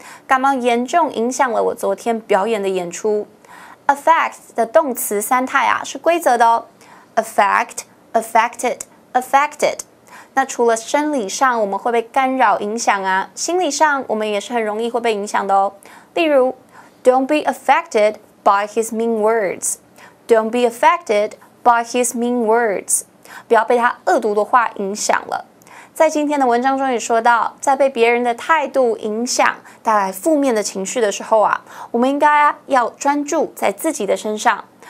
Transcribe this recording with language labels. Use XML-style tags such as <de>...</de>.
<zh>感冒严重影响了我昨天表演的演出。 Affect 的动词三态啊是规则的哦 ，</zh> <en>affect, affected, affected。</en> <zh>那除了生理上我们会被干扰影响啊，心理上我们也是很容易会被影响的哦。例如</zh> <en>，Don't be affected by his mean words. Don't be affected by his mean words.</en> <zh>不要被他恶毒的话影响了。在今天的文章中也说到，在被别人的态度影响，带来负面的情绪的时候啊，我们应该要专注在自己的身上。</zh>